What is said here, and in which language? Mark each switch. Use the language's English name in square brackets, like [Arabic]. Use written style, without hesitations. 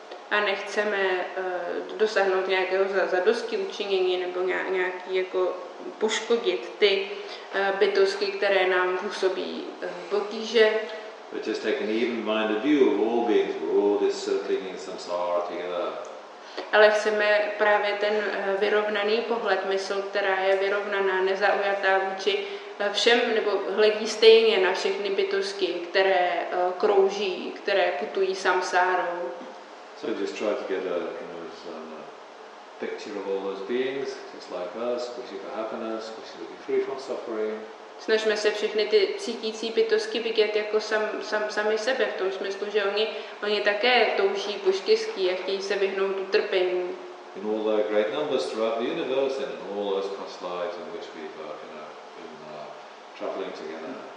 [Czech] A nechceme dosáhnout nějakého zadosti učinění nebo nějaký jako poškodit ty bytosti, které nám působí potíže. [English] But just take an even-minded view of all beings, we're all just circling in samsara together. [Czech] Ale chceme právě ten vyrovnaný pohled mysl, která je vyrovnaná, nezaujatá vůči všem, nebo hledí stejně na všechny bytosti, které krouží, které putují samsárou. [English] So just try to get a, you know, picture of all those beings, just like us, wishing for happiness, wishing to be free from suffering. [Czech] Snažme se všechny ty cítící bytosti vidět jako sami sebe, v tom smyslu, že oni také touží po štěstí a chtějí se vyhnout utrpení. [English] In all their great numbers throughout the universe and in all those past lives in which we've been traveling together.